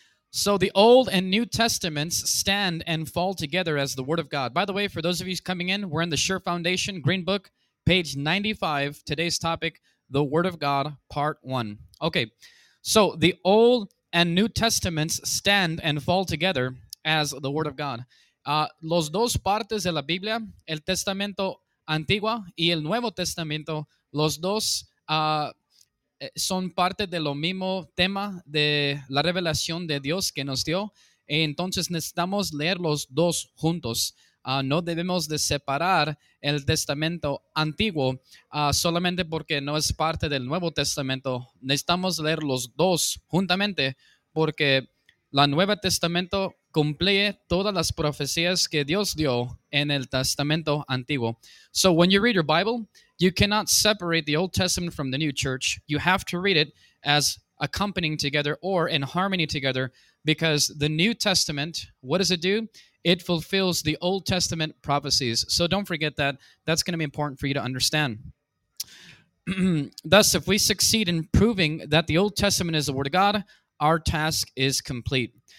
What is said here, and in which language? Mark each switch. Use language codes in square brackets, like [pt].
[en] So the Old and New Testaments stand and fall together as the Word of God. By the way, for those of you coming in, we're in the Sure Foundation, Green Book, page 95. Today's topic, the Word of God, part 1. Okay, so the Old and New Testaments stand and fall together as the Word of God. [es] Los dos partes de la Biblia, el Testamento Antiguo y el Nuevo Testamento, los dos son parte de lo mismo tema de la revelación de Dios que nos dio. Entonces necesitamos leer los dos juntos. No debemos de separar el Testamento Antiguo solamente porque no es parte del Nuevo Testamento. Necesitamos leer los dos juntamente porque el Nuevo Testamento cumple todas las profecías que Dios dio en el Testamento Antiguo. [en] So when you read your Bible, you cannot separate the Old Testament from the New Church. You have to read it as accompanying together or in harmony together because the New Testament, what does it do? It fulfills the Old Testament prophecies. So don't forget that. That's going to be important for you to understand. Thus, if we succeed in proving that the Old Testament is the Word of God, our task is complete.